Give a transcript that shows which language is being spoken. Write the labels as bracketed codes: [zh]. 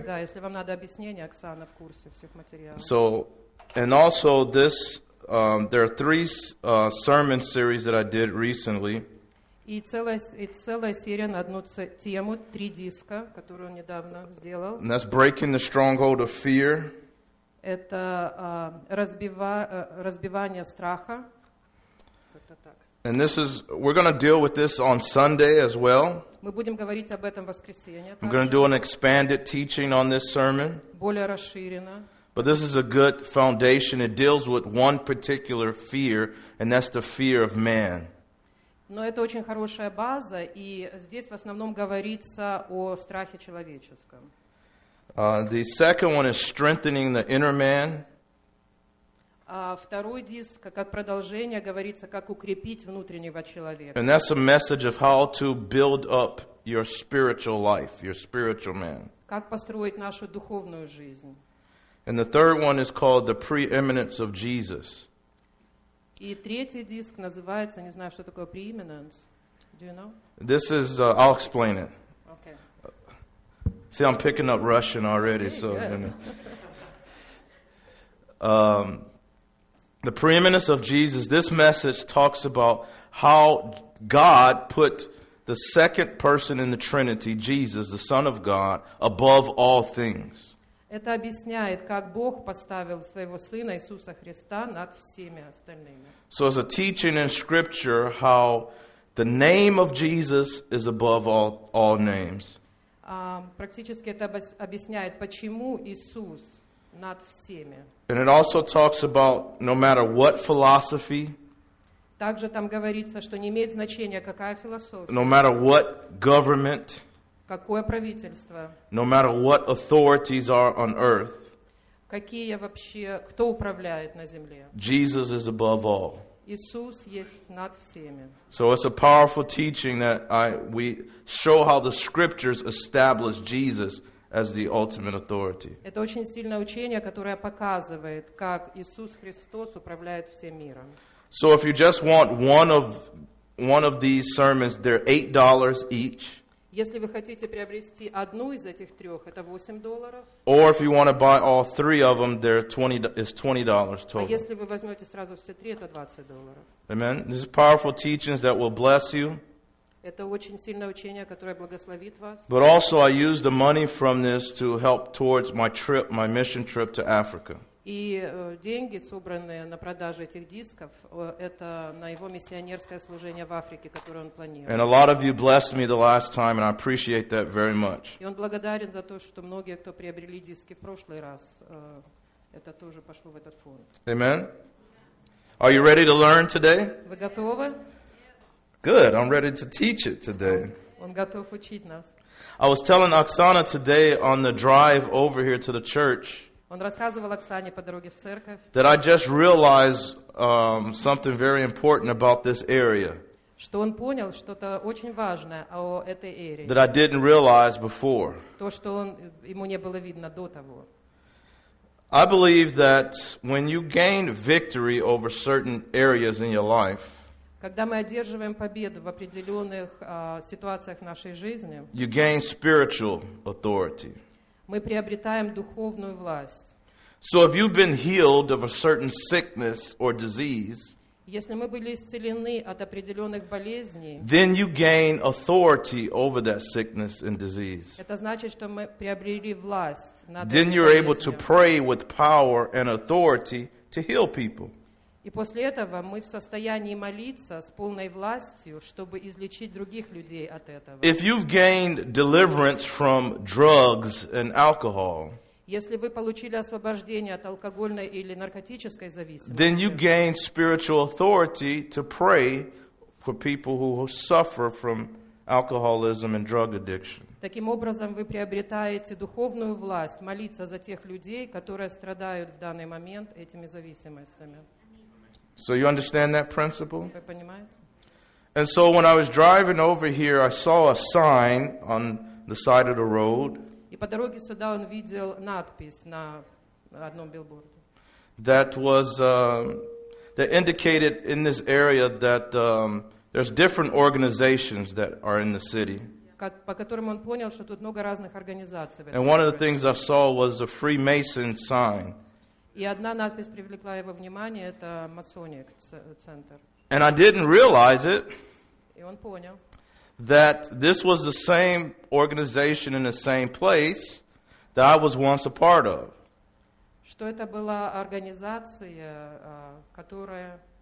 [ru] Да, если вам надо объяснение, Оксана в курсе всех материалов. [en] So, and also this, there are three sermon series that I did recently. [ru] И целая серия на одну тему, три диска, которую он недавно сделал. [en] And that's breaking the stronghold of fear. [ru] Это разбивание страха. [en] And this is, we're going to deal with this on Sunday as well. [ru] Мы будем говорить об этом воскресенье. [en] I'm going to do an expanded teaching on this sermon. [ru] Более расширенно. [en] But this is a good foundation. It deals with one particular fear, and that's the fear of man. [ru] Но это очень хорошая база, и здесь в основном говорится о страхе человеческом. [en] The second one is strengthening the inner man. [ru] Второй диск, как продолжение, говорится, как укрепить внутреннего человека. [en] And that's a message of how to build up your spiritual life, your spiritual man. [ru] Как построить нашу духовную жизнь. [en] And the third one is called the preeminence of Jesus. [ru] И третий диск называется, не знаю, что такое preeminence. [en] Do you know? This is, I'll explain it. Okay. See, I'm picking up Russian already, so. Yeah. You know. The preeminence of Jesus, this message talks about how God put the second person in the Trinity, Jesus, the Son of God, above all things. [ru] Это объясняет, как Бог поставил своего Сына Иисуса Христа над всеми остальными. [en] So it's a teaching in Scripture how the name of Jesus is above all names. [ru] Практически это объясняет, почему Иисус над всеми. [en] And it also talks about no matter what philosophy. [ru] Также там говорится, что не имеет значения, какая философия. [en] No matter what government. [ru] Какое правительство? [en] No matter what authorities are on earth. [ru] Какие вообще, кто управляет на земле? [en] Jesus is above all. [ru] Иисус есть над всеми. [en] So it's a powerful teaching that we show how the scriptures establish Jesus as the ultimate authority. [ru] Это очень сильное учение, которое показывает, как Иисус Христос управляет всем миром. [en] So if you just want one of these sermons, they're $8 each. [ru] Если вы хотите приобрести одну из этих трех, это $8. [en] Or if you want to buy all three of them, they're $20 total. [ru] А если вы возьмете сразу все три, это $20. [en] Amen. This is powerful teachings that will bless you. [ru] Это очень сильное учение, которое благословит вас. [en] But also I use the money from this to help towards my trip, my mission trip to Africa. [ru] И деньги, собранные на продаже этих дисков, это на его миссионерское служение в Африке, которое он планирует. [en] And a lot of you blessed me the last time, and I appreciate that very much. [ru] И он благодарен за то, что многие, кто приобрели диски в прошлый раз, это тоже пошло в этот фонд. [en] Amen. Are you ready to learn today? [ru] Вы готовы? [en] Good, I'm ready to teach it today. [ru] Он готов учить нас. [en] I was telling Oksana today on the drive over here to the church. [ru] Он рассказывал Оксане по дороге в церковь. [en] That I just realized something very important about this area. [ru] Что он понял что-то очень важное о этой эре. [en] That I didn't realize before. [ru] То, что он, ему не было видно до того. [en] I believe that when you gain victory over certain areas in your life, [ru] когда мы одерживаем победу в определенных ситуациях в нашей жизни, [en] you gain spiritual authority. [ru] Мы приобретаем духовную власть. [en] So if you've been healed of a certain sickness or disease, [ru] если мы были исцелены от определенных болезней, [en] then you gain authority over that sickness and disease. [ru] Это значит, что мы приобрели власть над болезнью. [en] Then you're able to pray with power and authority to heal people. [ru] И после этого мы в состоянии молиться с полной властью, чтобы излечить других людей от этого. [en] If you've gained deliverance from drugs and alcohol, [ru] если вы получили освобождение от алкогольной или наркотической зависимости, [en] then you gain spiritual authority to pray for people who suffer from alcoholism and drug addiction. [ru] Таким образом, вы приобретаете духовную власть молиться за тех людей, которые страдают в данный момент этими зависимостями. [en] So you understand that principle? [ru] Вы понимаете? [en] And so when I was driving over here, I saw a sign on the side of the road. [ru] И по дороге сюда он видел надпись на одном билборде. [en] That was that indicated in this area that there's different organizations that are in the city. [ru] По которым он понял, что тут много разных организаций. [en] And one of the things I saw was a Freemason sign. [ru] И одна надпись привлекла его внимание, это Masonic Center. [en] And I didn't realize it. [ru] И он понял. [en] That this was the same organization in the same place that I was once a part of. [ru] Что это была организация, которая...